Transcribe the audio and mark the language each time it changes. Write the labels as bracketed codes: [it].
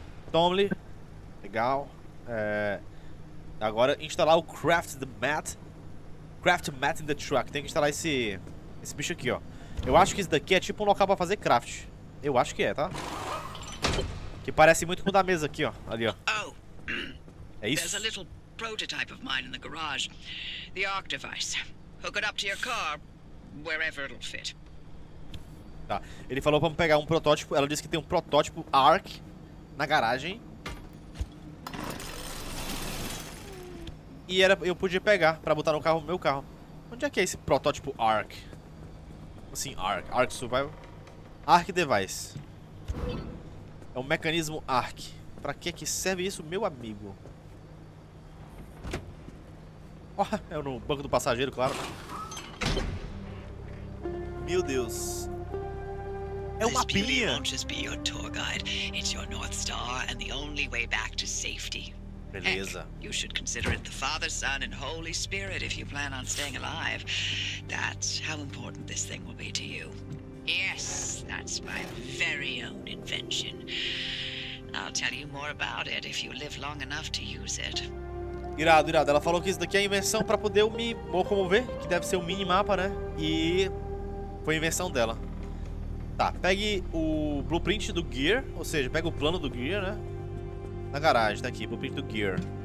[pt] Tomly, legal. Agora instalar o Craft the Mat. Craft Mat in the Truck. Tem que instalar esse bicho aqui, ó. Eu acho que isso daqui é tipo um local pra fazer craft. Eu acho que é, tá? Que parece muito com o da mesa aqui, ó. Ali, ó. É isso? [en] There's a little prototype of mine in the garage. The arc device. Hook it up to your car, wherever it'll fit. [pt] Tá. Ele falou pra eu pegar um protótipo. Ela disse que tem um protótipo arc na garagem. E era, eu podia pegar pra botar no carro, meu carro. Onde é que é esse protótipo ARC? Assim, ARC. ARC Survival. ARC Device. É um mecanismo ARC. Pra que que serve isso, meu amigo? Ó, oh, é no banco do passageiro, claro. Meu Deus. É uma pilha. Não vai ser seu tour guide. É seu North Star e a única maneira de volta à segurança. Beleza. [en] Heck, you should consider it the Father, Son, and Holy Spirit if you plan on staying alive. That's how important this thing will be to you. Yes, that's my very own invention. I'll tell you more about it if you live long enough to use it. [pt] Irado, irado. Ela falou que isso daqui é invenção pra poder eu me locomover, que deve ser o minimapa, né? E foi invenção dela. Tá, pegue o blueprint do Gear, ou seja, pega o plano do Gear, né? Na garagem, tá aqui, blueprint do Gear.